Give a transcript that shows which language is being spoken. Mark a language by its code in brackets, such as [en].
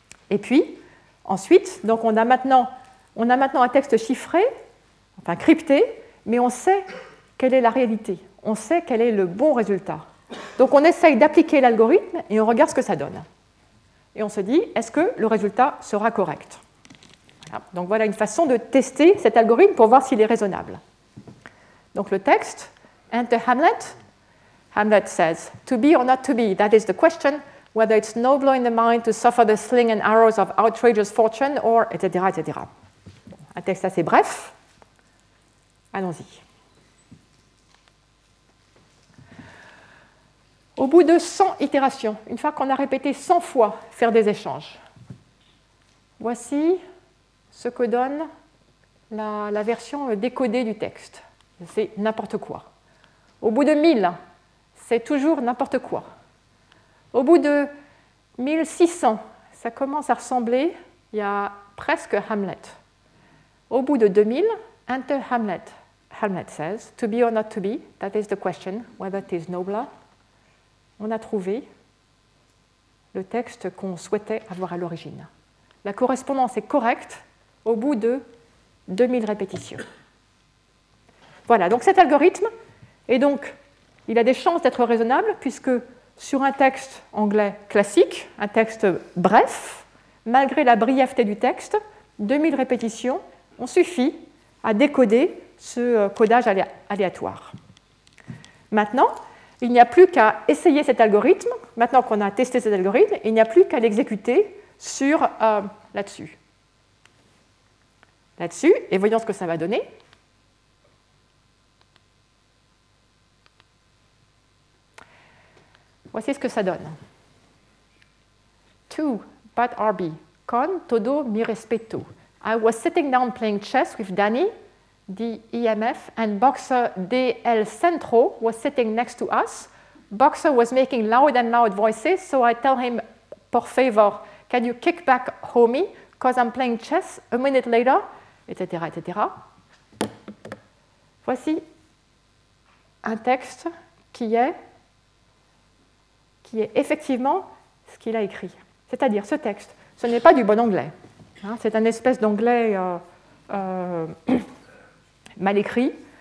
[fr] Et puis, ensuite, donc on a maintenant un texte chiffré, enfin crypté, mais on sait quelle est la réalité, on sait quel est le bon résultat. Donc on essaye d'appliquer l'algorithme et on regarde ce que ça donne. Et on se dit, est-ce que le résultat sera correct ? Donc voilà une façon de tester cet algorithme pour voir s'il est raisonnable. Donc le texte, [en] Enter Hamlet. Hamlet says, to be or not to be, that is the question, whether it's nobler in the mind to suffer the sling and arrows of outrageous fortune, or etc., etc. [fr] Un texte assez bref. Allons-y. Au bout de 100 itérations, une fois qu'on a répété 100 fois faire des échanges, voici ce que donne la version décodée du texte. C'est n'importe quoi. Au bout de 1000, c'est toujours n'importe quoi. Au bout de 1600, ça commence à ressembler, il y a presque Hamlet. Au bout de 2000, [en] enter Hamlet. Hamlet says, to be or not to be, that is the question, whether it is nobler. [fr] On a trouvé le texte qu'on souhaitait avoir à l'origine. La correspondance est correcte au bout de 2000 répétitions. Voilà, donc cet algorithme, il a des chances d'être raisonnable, puisque sur un texte anglais classique, un texte bref, malgré la brièveté du texte, 2000 répétitions ont suffi à décoder ce codage aléatoire. Maintenant, il n'y a plus qu'à essayer cet algorithme, maintenant qu'on a testé cet algorithme, il n'y a plus qu'à l'exécuter là-dessus. Là-dessus, et voyons ce que ça va donner. Voici ce que ça donne. 2, but RB, [es] con todo mi respeto. [en] I was sitting down playing chess with Danny, the EMF, and Boxer DL Centro was sitting next to us. Boxer was making loud and loud voices, so I tell him, [es] por favor, [en] can you kick back, homie, because I'm playing chess a minute later, etc., etc. [fr] Voici un texte qui est effectivement ce qu'il a écrit. C'est-à-dire, ce texte, ce n'est pas du bon anglais. Hein, c'est un espèce d'anglais mal écrit.